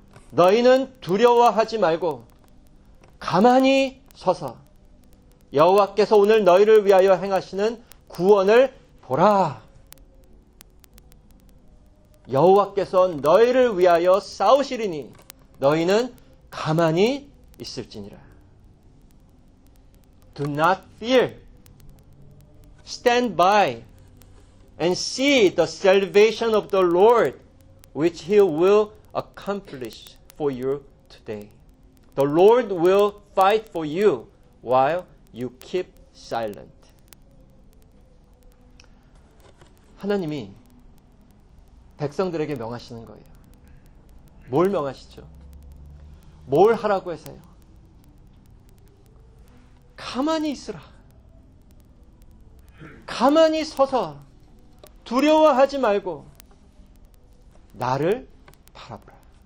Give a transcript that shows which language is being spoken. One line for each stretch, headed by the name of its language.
Korean: 너희는 두려워하지 말고 가만히 서서 여호와께서 오늘 너희를 위하여 행하시는 구원을 보라. 여호와께서 너희를 위하여 싸우시리니 너희는 가만히 있을지니라.
English: Do not fear. Stand by and see the salvation of the Lord, which He will accomplish for you today. The Lord will fight for you while you keep silent.
Korean: 하나님이 백성들에게 명하시는 거예요. 뭘 명하시죠? 뭘 하라고 해서요? 가만히 있으라. 가만히 서서 두려워하지 말고 나를 바라보라.